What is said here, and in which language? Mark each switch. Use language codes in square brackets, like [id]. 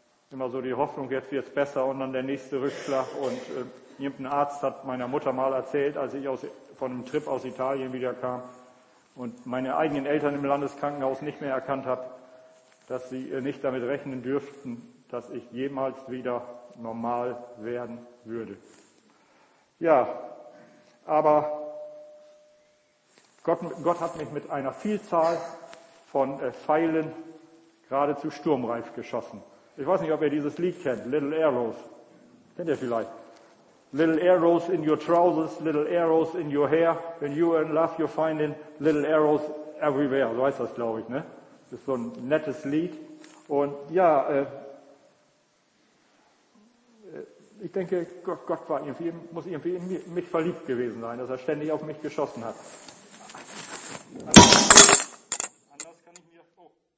[de] Immer so die Hoffnung, jetzt wird es besser und dann der nächste Rückschlag. Und irgendein Arzt hat meiner Mutter mal erzählt, als ich von einem Trip aus Italien wieder kam und meine eigenen Eltern im Landeskrankenhaus nicht mehr erkannt habe, dass sie nicht damit rechnen dürften, dass ich jemals wieder normal werden würde. Ja, aber Gott hat mich mit einer Vielzahl von Pfeilen geradezu sturmreif geschossen. Ich weiß nicht, ob ihr dieses Lied kennt, Little Arrows. Kennt ihr vielleicht? [en] Little arrows in your trousers, little arrows in your hair. When you are in love, you're finding little arrows everywhere. [de] So heißt das, glaube ich, ne? Das ist so ein nettes Lied. Und ja, ich denke, Gott war irgendwie, muss irgendwie in mich verliebt gewesen sein, dass er ständig auf mich geschossen hat. Anders kann ich mir auch.